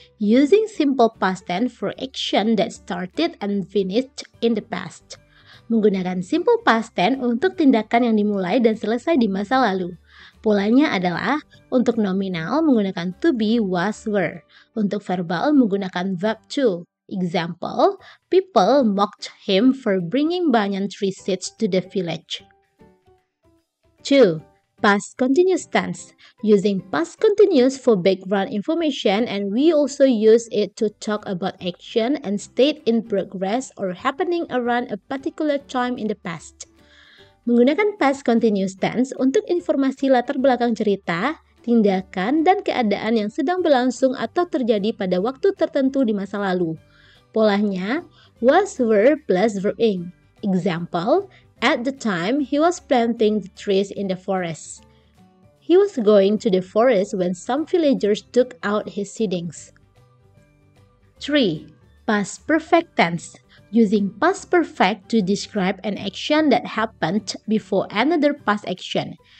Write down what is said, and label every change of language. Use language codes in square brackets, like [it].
[en] Using simple past tense for action that started and finished in the past. [id] Menggunakan simple past tense untuk tindakan yang dimulai dan selesai di masa lalu. Polanya adalah untuk nominal menggunakan [en] to be, was, were. [id] Untuk verbal menggunakan [en] verb to. Example, people mocked him for bringing banyan tree seeds to the village. 2. Past continuous tense. Using past continuous for background information and we also use it to talk about action and state in progress or happening around a particular time in the past. [id] Menggunakan past continuous tense untuk informasi latar belakang cerita, tindakan, dan keadaan yang sedang berlangsung atau terjadi pada waktu tertentu di masa lalu. Polanya, [en] was, were, plus were-ing. Example, at the time, he was planting the trees in the forest. He was going to the forest when some villagers took out his seedings. 3. Past perfect tense. Using past perfect to describe an action that happened before another past action.